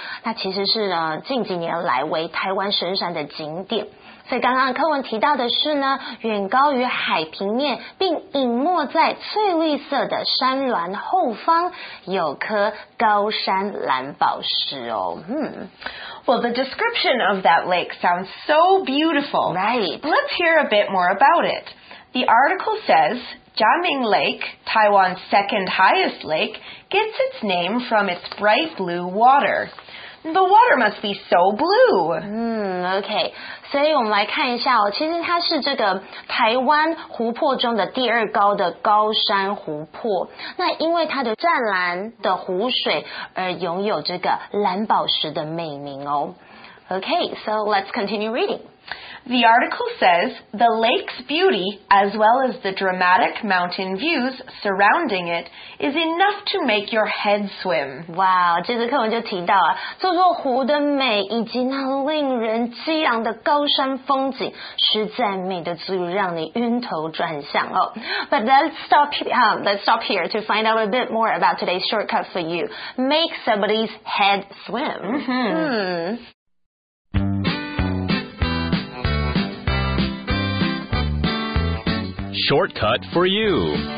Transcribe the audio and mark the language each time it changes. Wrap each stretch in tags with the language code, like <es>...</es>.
<zh>那其实是呢近几年来为台湾神山的景点。所以刚刚课文提到的是呢，远高于海平面并隐没在翠绿色的山峦后方有颗高山蓝宝石哦。</zh> <en>Well, the description of that lake sounds so beautiful. Right. Let's hear a bit more about it. The article says, Jiaming Lake, Taiwan's second highest lake, gets its name from its bright blue water. The water must be so blue. OK.</en> <zh>所以我们来看一下哦，其实它是这个台湾湖泊中的第二高的高山湖泊。那因为它的湛蓝的湖水而拥有这个蓝宝石的美名哦。</zh> <en>OK, so let's continue reading. The article says the lake's beauty, as well as the dramatic mountain views surrounding it, is enough to make your head swim.</en> <zh>Wow, 这次课文就提到啊，这座湖的美以及那令人激昂的高山风景，实在美得足以让你晕头转向哦。</zh> <en>But let's stop here to find out a bit more about today's shortcut for you. Make somebody's head swim. Shortcut for you.</en>